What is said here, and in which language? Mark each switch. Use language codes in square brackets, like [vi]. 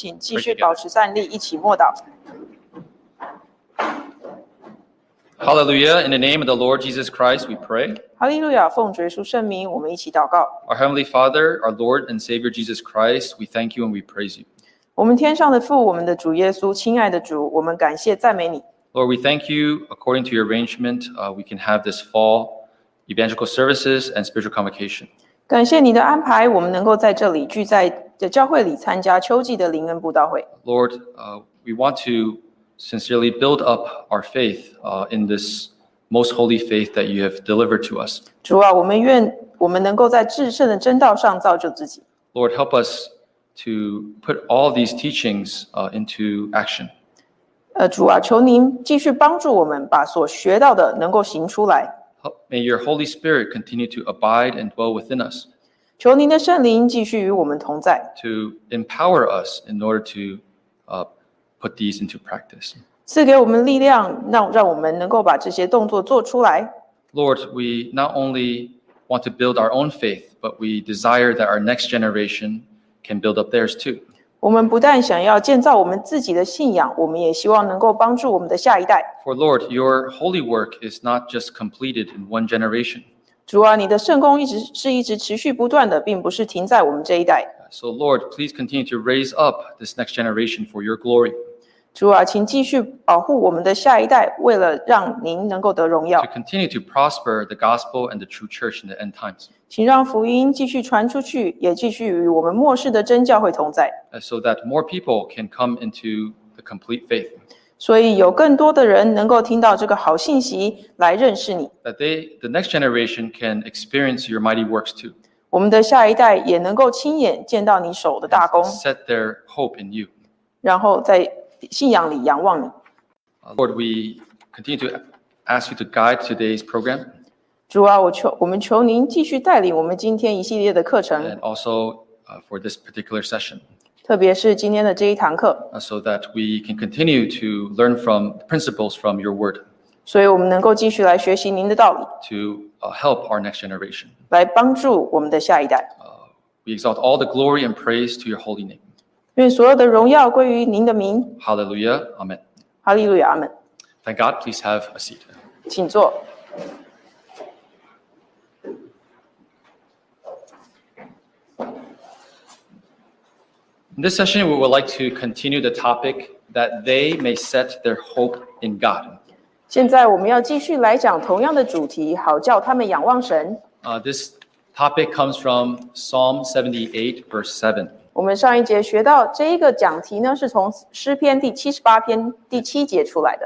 [zh] 请继续保持站立, 一起默祷。 [en] Hallelujah, in the name of the Lord Jesus Christ, we pray. [zh] Hallelujah, 奉主耶稣圣名, 我们一起祷告。 [en] Our Heavenly Father, our Lord and Savior Jesus Christ, we thank you and we praise you. [zh] 我们天上的父, 我们的主耶稣, 亲爱的主, 我们感谢, 赞美你。 [en] Lord, we thank you, according to your arrangement, we can have this fall evangelical services and spiritual convocation. [zh] 感谢你的安排, 我们能够在这里聚在教会里参加秋季的灵恩布道会。 [en] Lord, we want to sincerely build up our faith in this most holy faith that you have delivered to us. [zh] 主啊, 我们愿我们能够在至圣的真道上造就自己。 [en] Lord, help us to put all these teachings into action. [zh] 主啊, 求您继续帮助我们把所学到的能够行出来。 [en] May your Holy Spirit continue to abide and dwell within us. [zh] 求您的圣灵继续与我们同在。 [en] To empower us in order to put these into practice. [zh] 赐给我们力量, 让我们能够把这些动作做出来。 [en] Lord, we not only want to build our own faith, but we desire that our next generation can build up theirs too. [zh] 我们不但想要建造我们自己的信仰, 我们也希望能够帮助我们的下一代。 [en] For Lord, your holy work is not just completed in one generation. [zh] 主啊, 你的圣功一直持续不断的, 并不是停在我们这一代。 [en] So Lord, please continue to raise up this next generation for your glory. [zh] 主啊, 请继续保护我们的下一代, 为了让您能够得荣耀。 [en] To continue to prosper the gospel and the true church in the end times. [zh] 请让福音继续传出去, 也继续与我们末世的真教会同在。 [en] So that more people can come into the complete faith. [zh] 所以有更多的人能够听到这个好信息, 来认识你。 [en] That the next generation can experience your mighty works too. [zh] 我们的下一代也能够亲眼见到你手的大功。 [en] Set their hope in you. [zh] 然后在信仰里仰望你。 [en] Lord, we continue to ask you to guide today's program. [zh] 主啊, 我们求您继续带领我们今天一系列的课程。 [en] And also for this particular session. [zh] 特别是今天的这一堂课。 [en] So that we can continue to learn from principles from your word. [zh] 所以我们能够继续来学习您的道理。 [en] To help our next generation. [zh] 来帮助我们的下一代。 [en] We exalt all the glory and praise to your holy name. [zh] 愿所有的荣耀归于您的名。 [en] Hallelujah, Amen. Hallelujah, Amen. Thank God, please have a seat. [zh] 请坐。 [en] In this session, we would like to continue the topic that they may set their hope in God. [zh] 现在我们要继续来讲同样的主题, 好叫他们仰望神。 [en] This topic comes from Psalm 78, verse 7. [zh] 我们上一节学到这一个讲题呢, 是从诗篇第78篇第7节出来的。